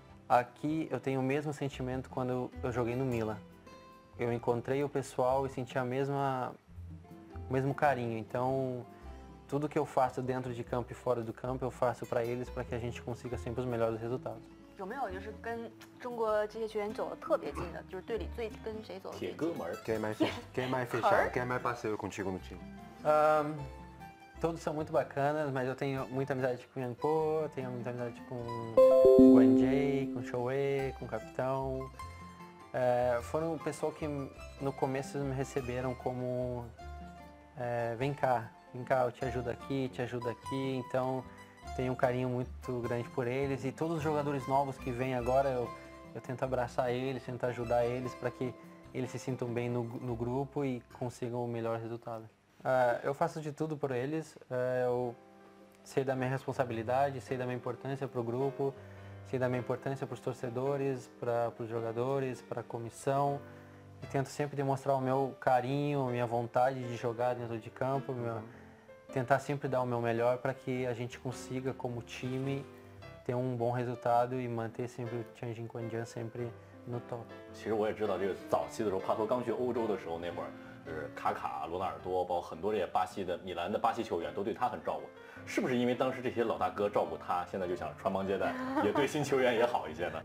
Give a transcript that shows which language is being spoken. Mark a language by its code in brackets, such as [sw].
[pt] Aqui eu tenho o mesmo sentimento quando eu joguei no Milan. Eu encontrei o pessoal e senti o mesmo carinho. Então... Tudo que eu faço dentro de campo e fora do campo, eu faço para eles para que a gente consiga sempre os melhores resultados. [zh] 有没有就是跟中国这些球员走的特别近的，就是队里最跟谁走的最近？铁哥们儿。 [pt] Quem mais passeio contigo no time? Todos são muito bacanas, mas eu tenho muita amizade com Yang Po, tenho muita amizade com Guan Jay, com Chou Wei, com o capitão. Foram pessoas que no começo me receberam como vem cá. Vem cá, eu te ajudo aqui, te ajudo aqui. Então, tenho um carinho muito grande por eles. E todos os jogadores novos que vêm agora, eu tento abraçar eles, tento ajudar eles para que eles se sintam bem no grupo e consigam o melhor resultado. Eu faço de tudo por eles. Eu sei da minha responsabilidade, sei da minha importância para o grupo, sei da minha importância para os torcedores, para os jogadores, para a comissão. E tento sempre demonstrar o meu carinho, minha vontade de jogar dentro de campo, tentar sempre dar o meu melhor para que a gente consiga, como time, ter um bom resultado e manter sempre o Tianjin Guanjian sempre no top. [zh] 其实我也知道，这个早期的时候，帕托刚去欧洲的时候，那会儿就是卡卡、罗纳尔多，包括很多这些巴西的、米兰的巴西球员都对他很照顾。是不是因为当时这些老大哥照顾他，现在就想穿帮接待，也对新球员也好一些呢